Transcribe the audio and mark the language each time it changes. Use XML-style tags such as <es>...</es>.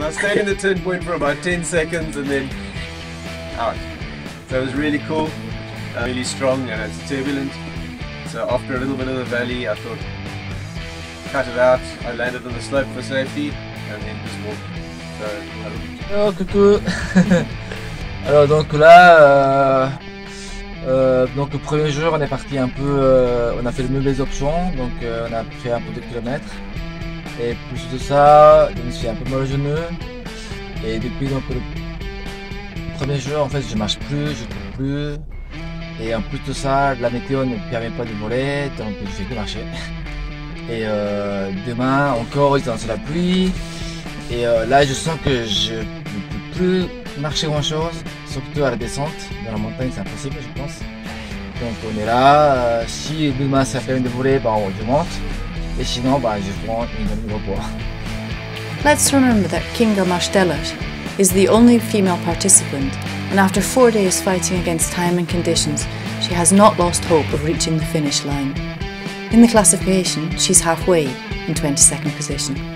<en>And I stayed in the turn point for about 10 seconds and then out. So it was really cool, really strong, and it's turbulent. So after a little bit of the valley, I thought, cut it out. I landed on the slope for safety and then just walked. So,</en> <fr>oh, coucou. Alors donc là, donc le premier jour on est parti un peu, on a fait le mieux des options, donc on a fait un peu de kilomètres. Et plus de ça, je me suis un peu mal au genou. Et depuis donc le premier jour en fait je marche plus, je cours plus. Et en plus de ça, la météo ne permet pas de voler, donc je vais plus marcher. Et demain encore il est dans la pluie. Et là je sens que je ne peux plus marcher grand chose, surtout à la descente, dans la montagne c'est impossible je pense. Donc on est là, si demain ça permet de voler, bah, je monte, et sinon bah, je prends une demi repos.</fr> <en>Let's remember that Kinga Marstellert is the only female participant, and after 4 days fighting against time and conditions, she has not lost hope of reaching the finish line. In the classification, she's halfway in 22nd position.</en>